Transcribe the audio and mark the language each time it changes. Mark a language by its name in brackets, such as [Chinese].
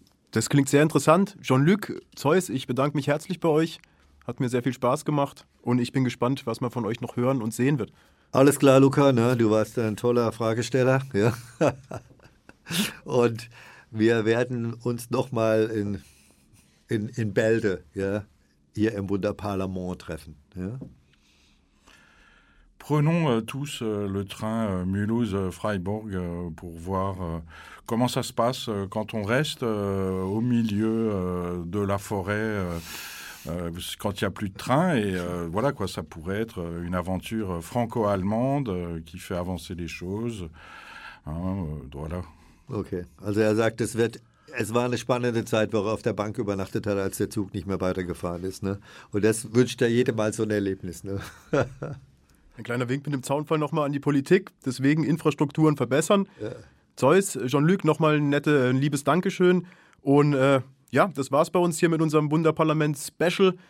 [German] Das klingt sehr interessant. Jean-Luc, Zeus, ich bedanke mich herzlich bei euch. Hat mir sehr viel Spaß gemacht und ich bin gespannt, was man von euch noch hören und sehen wird. Alles klar, Luca, ne? Du warst ein toller Fragesteller. Ja. Und wir werden uns nochmal in Bälde, ja, hier im Wunderparlament treffen. Ja. [French] Prenons tous le train Mulhouse-Freiburg pour voir comment ça se passe quand on reste au milieu de la forêt, quand il n'y a plus de train. Et voilà quoi, ça pourrait être une aventure franco-allemande qui fait avancer les choses. Hein, voilà. Ok. [German] Also, er sagt, es war eine spannende Zeit, wo er auf der Bank übernachtet hat, als der Zug nicht mehr weitergefahren ist. Ne? Und das wünscht er jedem Mal so ein Erlebnis. Ne? Ein kleiner Wink mit dem Zaunfall nochmal an die Politik. Deswegen Infrastrukturen verbessern. Ja. Zeus, Jean-Luc, nochmal ein liebes Dankeschön. Und ja, das war's bei uns hier mit unserem Wunderparlament-Special.